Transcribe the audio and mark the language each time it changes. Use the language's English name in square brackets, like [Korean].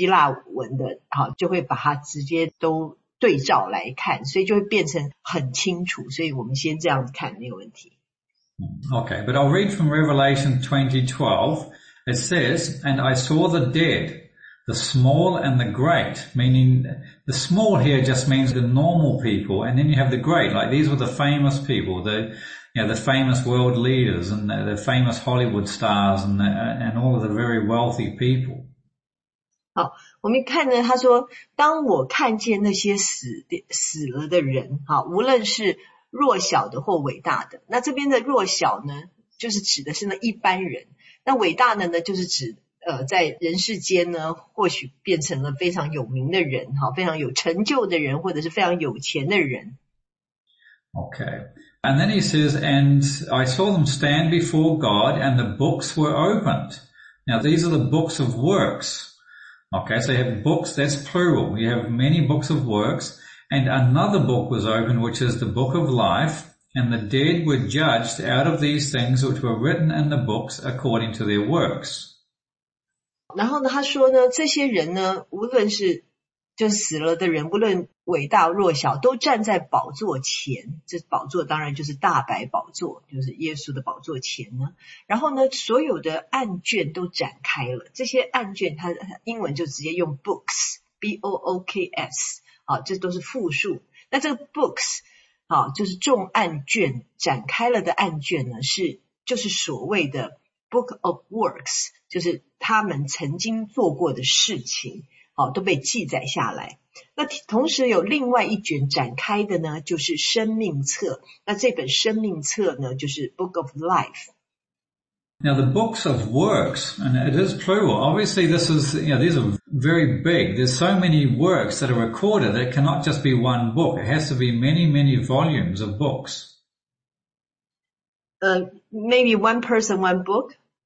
[Chinese] 但是呢，不论是任何翻译版本都不可能很完整的去把原本的希伯来文跟希腊文的那个圣经原意全面的展现出来，所以当然要能读得懂希伯来文跟希腊文是最好的，但是因为这边我们现在荧幕上看见的这个詹姆士国王版本呢，是把每一个英文字都跟原始的这个圣经，如果是希腊文的，就会把它直接都 对照来看，所以就会变成很清楚，所以我们先这样看，没有问题。 [English] Okay, but I'll read from Revelation 20:12. It says, And I saw the dead, the small and the great, meaning the small here just means the normal people, and then you have the great, like these were the famous people, the famous world leaders and the famous Hollywood stars and all of the very wealthy people. [Chinese] 好。我们看呢，他说，当我看见那些死了的人，无论是弱小的或伟大的，那这边的弱小呢，就是指的是那一般人，那伟大的呢，就是指在人世间呢，或许变成了非常有名的人，非常有成就的人，或者是非常有钱的人。 [English] Okay. And then he says, and I saw them stand before God and the books were opened. Now these are the books of works. Okay. So you have books, that's plural. You have many books of works and another book was opened, which is the book of life. And the dead were judged out of these things which were written in the books according to their works. [Chinese] 然后呢，他说呢，这些人呢，无论是就死了的人，无论伟大弱小，都站在宝座前。这宝座当然就是大白宝座，就是耶稣的宝座前呢。然后呢，所有的案卷都展开了。这些案卷，他英文就直接用 books, B-O-O-K-S, 啊，这都是复数。那这个 books, 啊，就是众案卷展开了的案卷呢，是就是所谓的 [English] book of works, [Chinese] 就是他们曾经做过的事情，好，都被记载下来。那同时有另外一卷展开的呢，就是生命册。那这本生命册呢，就是 [English] Book of Life. Now the books of works, and it is plural. Obviously this is, you know, these are very big. There's so many works that are recorded that cannot just be one book. It has to be many, many volumes of books. Maybe one person, one book.